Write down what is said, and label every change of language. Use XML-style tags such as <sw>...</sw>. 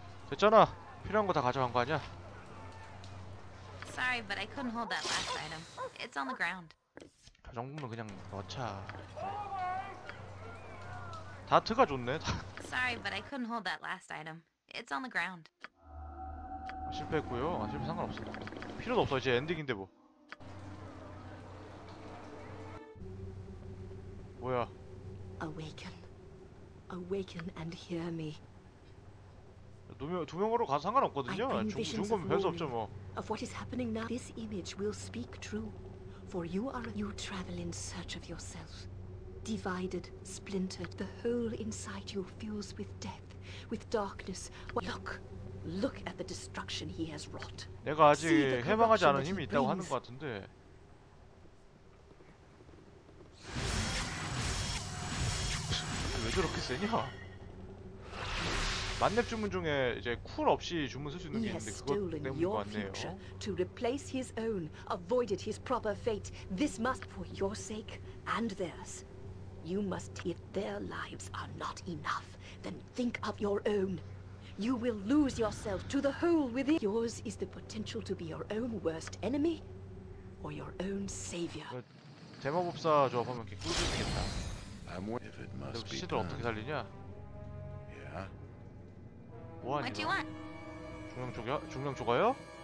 <ko>됐잖아. 필요한 거 다 가져간 거 아니야?</ko> <en>Sorry, but I couldn't hold that last item. It's on the ground.</en> <ko>그 정도면 그냥 넣자. 다트가 좋네.</ko> <en>Sorry, but I couldn't hold that last item. It's on the ground.</en> <ko>실패했고요. 아, 실패 상관없어요. 필요도 없어. 이제 엔딩인데 뭐. 뭐야?</ko> <en>Awaken, awaken and hear me.</en> <ko>두 명으로 가서 상관없거든요. 죽은 건 별수 없죠 뭐.</ko> <en>Of what is happening now, this image will speak true. For you are a new travel in search of yourself. Divided, splintered, the hole inside you fills with death, with darkness. Look, look at the destruction he has wrought.</en> <ko>내가 아직 해방하지 않은 힘이 있다고 하는 것 같은데. 왜 저렇게 세냐? 만렙 주문 중에 이제 쿨 없이 주문 쓸 수 있는 게 있는데 그거 때문인 것 같네요.</ko> <en>To replace his own, avoided his proper fate. This must for your sake and theirs. You must, if their lives are not enough, then think of your own. You will lose yourself to the hole within. Yours is the potential to be your own worst enemy. or your own savior.</en> <ko>제마법사 조합하면 이렇게 꿀조이겠다. 시들 어떻게 살리냐? Yeah. 뭐 하니? 중령 죽여? 중령 죽어요?</ko>